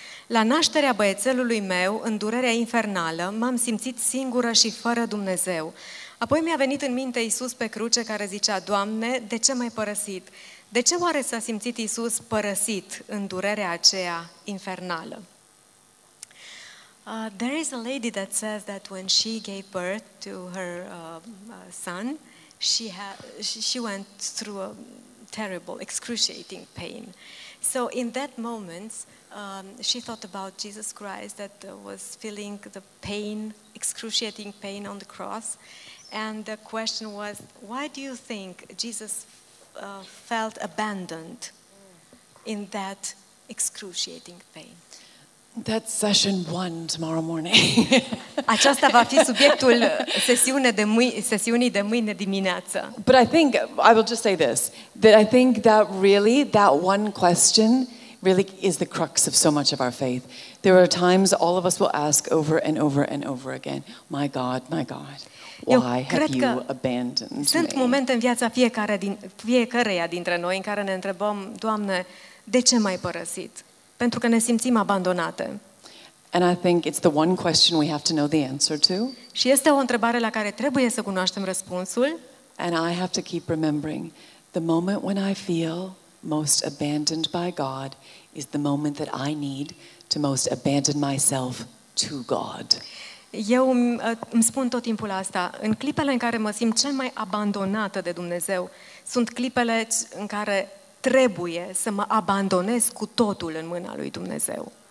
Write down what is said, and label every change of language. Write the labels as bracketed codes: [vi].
[ro] La nașterea băiețelului meu, în durerea infernală, m-am simțit singură și fără Dumnezeu. Apoi mi-a venit în minte Iisus pe cruce care zicea, Doamne, de ce m-ai părăsit? De ce oare s-a simțit Iisus părăsit în durerea aceea infernală? [en] There is a lady that says that when she gave birth to her son, she went through a terrible, excruciating pain. So in that moment, she thought about Jesus Christ that was feeling the pain, excruciating pain on the cross. And the question was, why do you think Jesus felt abandoned in that excruciating pain? That's session one tomorrow morning. [ro] Aceasta va fi subiectul sesiunii de mâine dimineață. [en] But I think, I will just say this, that I think that really, that one question really is the crux of so much of our faith. There are times all of us will ask over and over and over again, my God, why have you abandoned me? [ro] Sunt momente în viața fiecăreia dintre noi în care ne întrebăm, Doamne, de ce m-ai părăsit? Pentru că ne simțim abandonate. [en] And I think it's the one question we have to know the answer to. [ro] Și este o întrebare la care trebuie să cunoaștem răspunsul. [en] And I have to keep remembering the moment when I feel most abandoned by God is the moment that I need to most abandon myself to God. [ro] Eu îmi spun tot timpul asta, în clipele în care mă simt cel mai abandonată de Dumnezeu, sunt clipele în care trebuie să mă abandonez cu totul în mâna lui Dumnezeu.